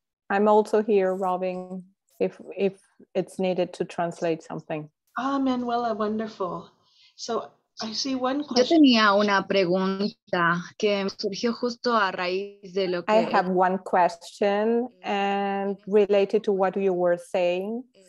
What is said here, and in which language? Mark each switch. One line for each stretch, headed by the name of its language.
English: I'm also here, Robyn, if it's needed to translate something. Ah, Manuela, wonderful. So I see one question.
Spanish: Yo tenía una pregunta que surgió justo a raíz de lo que...
English: I have one question, and related to what you were saying.